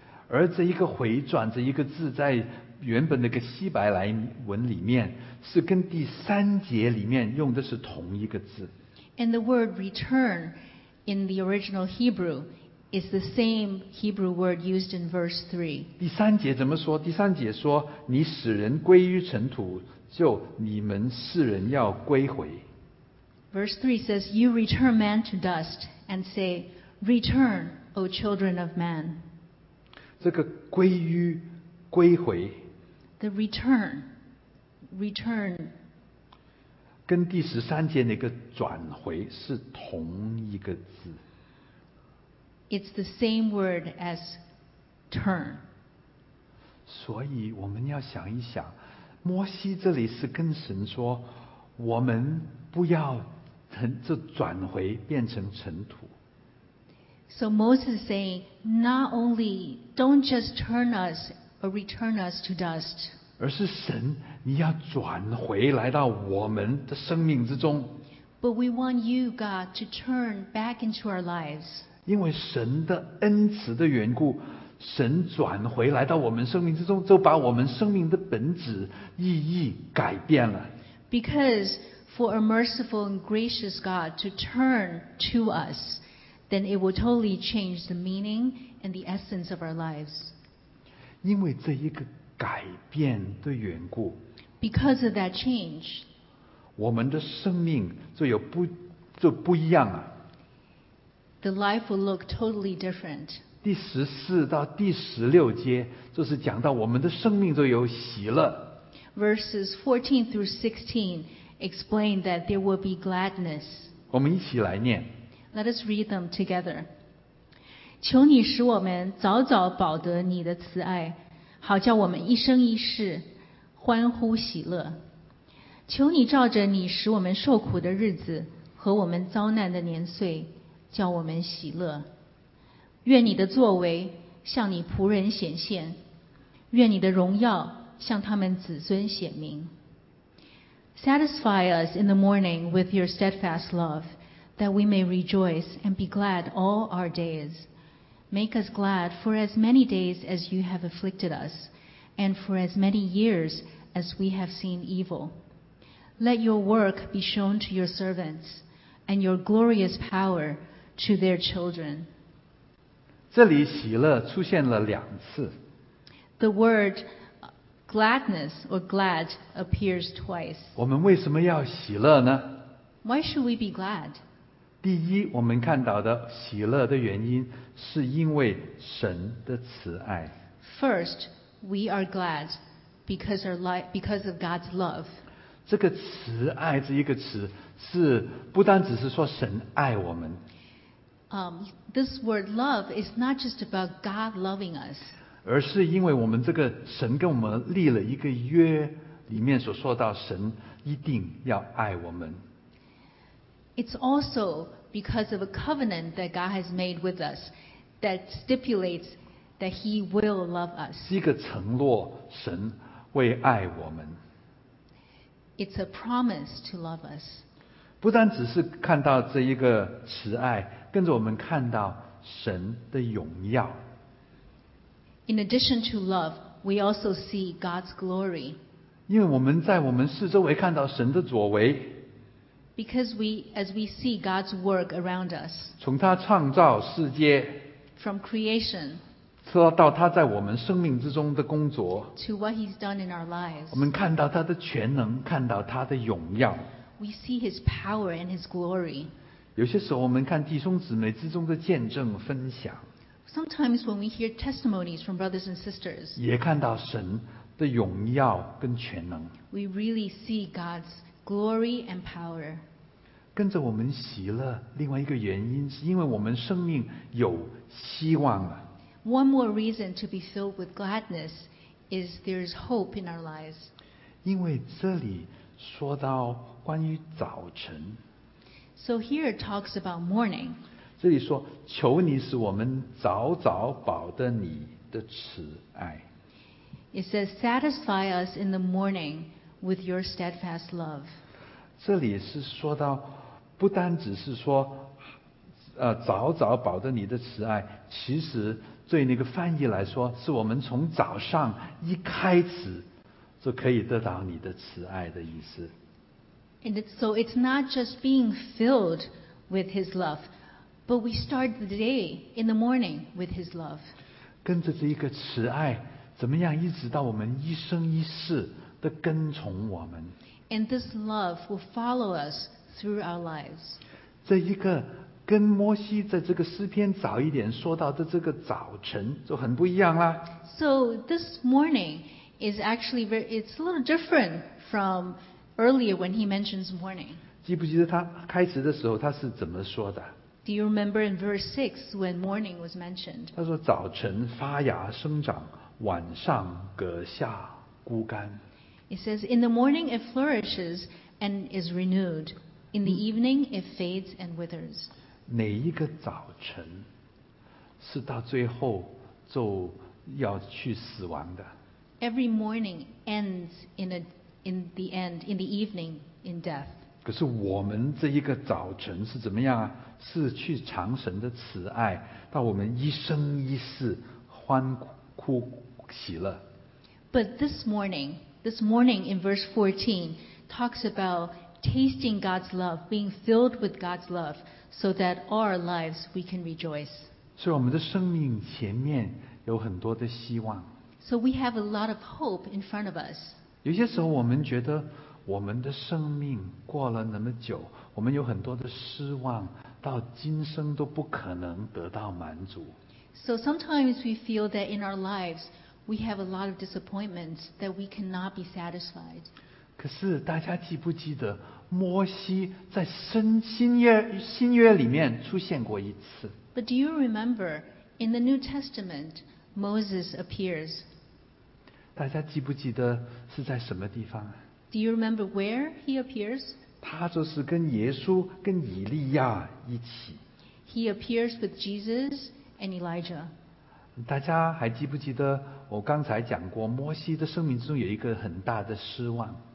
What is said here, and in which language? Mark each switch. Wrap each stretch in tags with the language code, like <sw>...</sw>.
<zh>而这一个回转这一个字在原本那个希伯来文里面是跟第三节里面用的是同一个字。</zh> <en>And the word return in the original Hebrew is the same Hebrew word used in verse 3.</en> <zh>第三节怎么说？第三节说，你使人归于尘土，就你们世人要归回。</zh> <en>Verse 3 says, You return man to dust and say, Return, O children of man.</en> <zh>这个归于归回</zh> <en>The return</en> <zh>跟第十三节那个转回是同一个字</zh> <en>It's the same word as turn.</en> <zh>所以我们要想一想摩西这里是跟神说我们不要这转回变成尘土</zh> <en>So Moses is saying not only don't just turn us or return us to dust</en> <zh>而是神你要转回来到我们的生命之中</zh> <en>But we want you God to turn back into our lives</en> <zh>因为神的恩慈的缘故神转回来到我们生命之中就把我们生命的本质意义改变了</zh> <en>BecauseFor a merciful and gracious God to turn to us, then it will totally change the meaning and the essence of our lives.</en> <zh>因为这一个改变的缘故</zh> <en>Because of that change,</en> <zh>我们的生命就不一样了</zh> <en>The life will look totally different.</en> <zh>第十四到第十六节就是讲到我们的生命就有喜乐</zh> <en>Verses 14 through 16explain that there will be gladness.</en> <zh>我们一起来念。</zh> <en>Let us read them together.</en> <zh>求你使我们早早保得你的慈爱，好叫我们一生一世欢呼喜乐。求你照着你使我们受苦的日子和我们遭难的年岁，叫我们喜乐。愿你的作为向你仆人显现，愿你的荣耀向他们子孙显明。</zh> <en>Satisfy us in the morning with your steadfast love, that we may rejoice and be glad all our days. Make us glad for as many days as you have afflicted us, and for as many years as we have seen evil. Let your work be shown to your servants, and your glorious power to their children.</en> <zh>这里喜乐出现了两次。</zh> <en>The word... Gladness or glad appears twice.</en> <zh>我们为什么要喜乐呢</zh> <en>Why should we be glad?</en> <zh>第一，我们看到的喜乐的原因是因为神的慈爱。</zh> <en>First, we are glad because of God's love.</en> <zh>这个慈爱这一个词是不单只是说神爱我们。</zh> <en>This word love is not just about God loving us.</en> <zh>而是因为我们这个神跟我们立了一个约里面所说到神一定要爱我们</zh> <en>It's also because of a covenant that God has made with us that stipulates that he will love us</en> <zh>是一个承诺神会爱我们</zh> <en>It's a promise to love us</en> <zh>不单只是看到这一个慈爱跟着我们看到神的荣耀</zh> <en>In addition to love, we also see God's glory.</en> <zh>因为我们在我们四周围看到神的作为。</zh> <en>Because as we see God's work around us.</en> <zh>从他创造世界。</zh> <en>From creation.</en> <zh>到他在我们生命之中的工作。</zh> <en>To what he's done in our lives.</en> <zh>我们看到他的全能，看到他的荣耀。</zh> <en>We see his power and his glory.</en> <zh>有些时候我们看弟兄姊妹之中的见证分享。</zh> <en>Sometimes when we hear testimonies from brothers and sisters,</en> <zh>也看到神的荣耀跟全能</zh> <en>we really see God's glory and power.</en> <zh>跟着我们喜乐，另外一个原因是因为我们生命有希望了。</zh> <en>One more reason to be filled with gladness is there is hope in our lives.</en> <zh>因为这里说到关于早晨。</zh> <en>So here it talks about morning.</en> <zh>这里说求你使我们早早饱得你的慈爱</zh> <en>It says satisfy us in the morning with your steadfast love</en> <zh>这里是说到不单只是说早早饱得你的慈爱其实对那个翻译来说是我们从早上一开始就可以得到你的慈爱的意思</zh> <en>And so it's not just being filled with his loveBut we start the day in the morning with His love.</en> <zh>跟着这一个慈爱，怎么样一直到我们一生一世的跟从我们。</zh> <en>And this love will follow us through our lives.</en> <zh>这一个跟摩西在这个诗篇早一点说到的这个早晨就很不一样啦。</zh> <en>So this morning is actually very, it's a little different from earlier when he mentions morning.</en> <zh>记不记得他开始的时候他是怎么说的？</zh> <en>Do you remember in verse 6 when morning was mentioned?</en> <zh>他说早晨发芽生长，晚上割下枯干。</zh> <en>It says, in the morning it flourishes and is renewed. In the evening it fades and withers.</en> <zh>哪一个早晨是到最后就要去死亡的？</zh> <en>Every morning ends in the evening in death.</en> <zh>可是我们这一个早晨是怎么样啊？是去尝神的慈爱，到我们一生一世欢哭喜乐。</zh> <en>But this morning in verse 14 talks about tasting God's love, being filled with God's love, so that our lives we can rejoice.</en> <zh>所以我们的生命前面有很多的希望。</zh> <en>So we have a lot of hope in front of us.</en> <zh>有些时候我们觉得我们的生命过了那么久，我们有很多的失望，到今生都不可能得到满足。</zh> <en>So sometimes we feel that in our lives we have a lot of disappointments that we cannot be satisfied.</en> <zh>可是大家记不记得摩西在新约里面出现过一次？</zh> <en>But do you remember in the New Testament Moses appears?</en> <zh>大家记不记得是在什么地方？</zh> <en>Do you remember where he appears?</en> <zh>他就是跟耶稣跟以利亚一起。</zh> <en>He appears with Jesus and Elijah.</en> <zh>大家还记不记得我刚才讲过摩西的生命之中有一个很大的失望？</zh>